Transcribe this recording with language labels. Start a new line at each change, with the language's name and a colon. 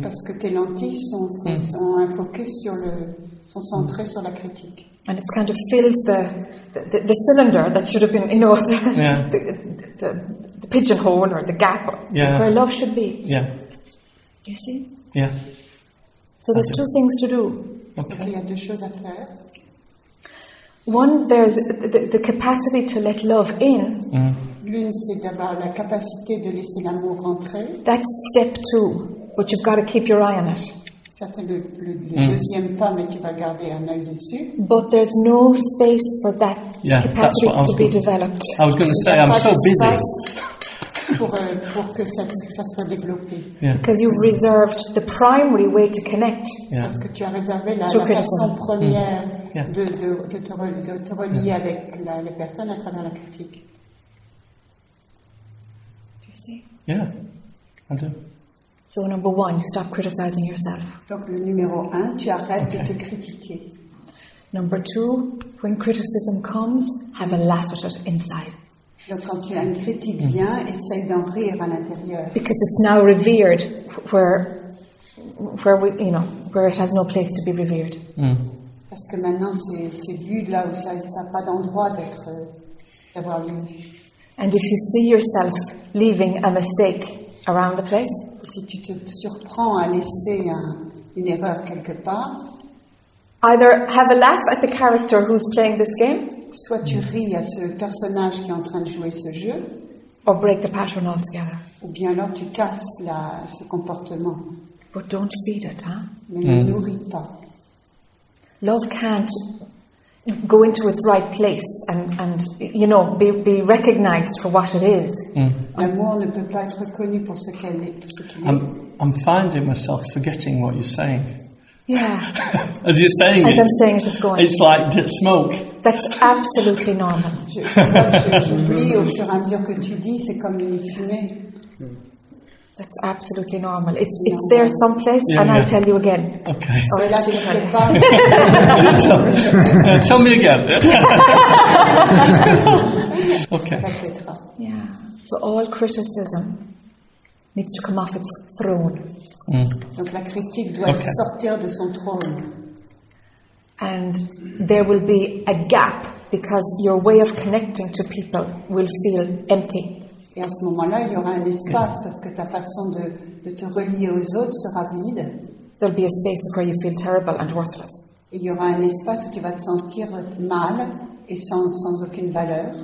French: Parce que tes lentilles sont un focus sur le sont centrées sur la critique.
English: And it's kind of filled the cylinder that should have been, you know, the pigeonhole or the gap where love should be. Yeah. Do you see? Yeah. So there's two things to do. Okay.
French: Il y a deux choses à faire.
English: One, there's the capacity to let love in.
French: L'une, c'est d'avoir la capacité de laisser l'amour rentrer.
English: That's step two, but you've got to keep your eye on it.
French: Ça, c'est le deuxième pas, mais tu vas garder un œil dessus.
English: But there's no space for that capacity to be developed. I was going to say, I'm so busy.
French: pour que ça soit développé.
English: Because you've reserved the primary way to connect.
French: Parce que tu as réservé la façon première de te relier avec les personnes à travers la critique.
English: Do you see? Yeah, I do. So number one, you stop criticizing yourself.
French: Donc le numéro un, tu arrêtes de te critiquer.
English: Number two, when criticism comes, have a laugh at it inside.
French: Donc quand tu as une critique vient, essaye d'en rire à l'intérieur.
English: Because it's now revered where we, you know, where it has no place to be revered.
French: Parce que maintenant c'est vu là où ça n'a pas d'endroit d'avoir lieu.
English: And if you see yourself leaving a mistake around the place,
French: si tu te surprends à laisser une erreur quelque part,
English: either have a laugh at the character who's playing this game.
French: Soit tu ris à ce personnage qui est en train de jouer ce jeu.
English: Or break the pattern altogether.
French: Ou bien alors tu casses ce comportement.
English: But don't feed it, huh?
French: Mais ne nourris pas.
English: Love can't go into its right place and you know be recognized for what it is.
French: L'amour ne peut pas être reconnu pour ce qu'il est.
English: I'm finding myself forgetting what you're saying. Yeah. As you're saying as it, I'm saying it, it's going. It's like smoke. That's absolutely normal.
French: J'oublie au fur et à mesure que tu dis, c'est comme une fumée.
English: That's absolutely normal. It's there someplace, I'll tell you again. Okay.
French: Or là, je ne sais pas.
English: tell me again. Okay. Yeah. So all criticism needs to come off its throne.
French: Donc la critique doit sortir de son trône.
English: And there will be a gap because your way of connecting to people will feel empty.
French: Et à ce moment-là, il y aura un espace parce que ta façon de te relier aux autres sera vide.
English: There'll be a space where you feel terrible and worthless.
French: Et il y aura un espace où tu vas te sentir mal et sans aucune valeur.